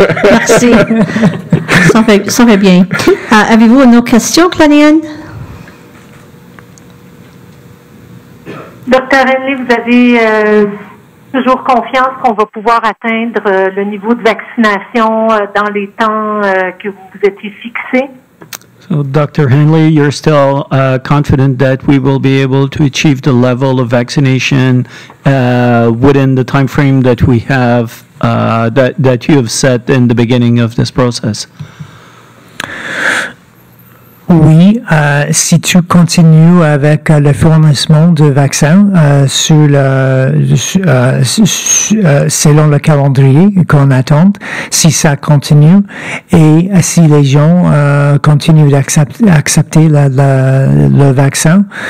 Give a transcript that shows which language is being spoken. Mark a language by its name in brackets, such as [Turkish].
[French] Merci. Ça fait bien. Avez-vous une autre question, Claudine? Docteur Hanley, vous avez une question? Toujours confiance qu'on va pouvoir atteindre le niveau de vaccination dans les temps que vous vous étiez fixé. [English] So, Dr. Hanley, you're still confident that we will be able to achieve the level of vaccination within the time frame that we have that you have set in the beginning of this process. [French] Oui, si tu continues avec le fournissement de vaccins selon le calendrier qu'on attend, si ça continue et si les gens continuent d'accepter le vaccin,